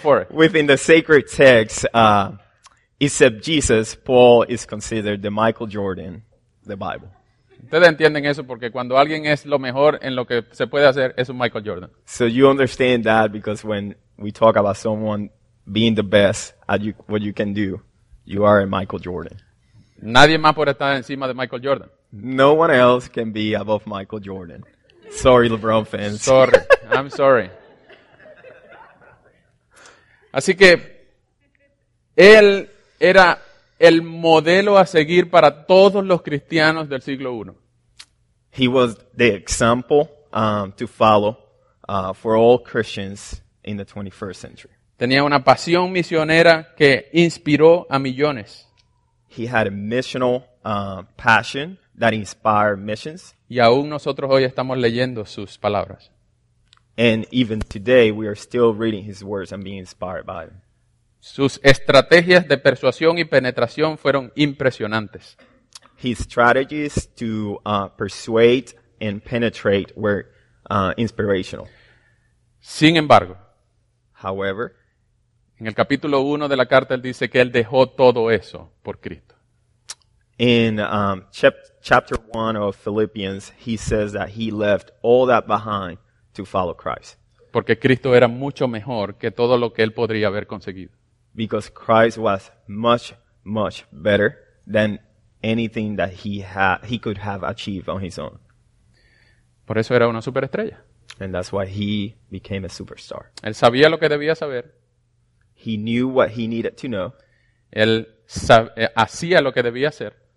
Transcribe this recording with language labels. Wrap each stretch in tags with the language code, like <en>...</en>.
<en>within the sacred text, except Jesus, Paul is considered the Michael Jordan, the Bible.</en> <es>Ustedes entienden eso porque cuando alguien es lo mejor en lo que se puede hacer es un Michael Jordan.</es> <en>So you understand that because when we talk about someone being the best at what you can do, you are a Michael Jordan.</en> <es>Nadie más puede estar encima de Michael Jordan.</es> <en>No one else can be above Michael Jordan. Sorry, LeBron fans. Sorry. I'm sorry.</en> <es>Así que él era el modelo a seguir para todos los cristianos del siglo I.</es> <en>He was the example to follow for all Christians in the 21st century.</en> <es>Tenía una pasión misionera que inspiró a millones.</es> <en>He had a missional passion that inspired missions.</en> <es>Y aún nosotros hoy estamos leyendo sus palabras.</es> <en>And even today, we are still reading his words and being inspired by them.</en> <es>Sus estrategias de persuasión y penetración fueron impresionantes.</es> <en>His strategies to persuade and penetrate were inspirational.</en> <es>Sin embargo,</es> <en>however,</en> <es>en el capítulo 1 de la carta, él dice que él dejó todo eso por Cristo.</es> <en>In chapter 1 of Philippians, he says that he left all that behind to follow Christ.</en> <es>Porque Cristo era mucho mejor que todo lo que él podría haber conseguido.</es> <en>Because Christ was much, much better than anything that he could have achieved on his own.</en> <es>Por eso era una superestrella.</es> <en>And that's why he became a superstar.</en> <es>Él sabía lo que debía saber.</es> <en>He knew what he needed to know.</en> <es>Él hacía lo que debía hacer.</es>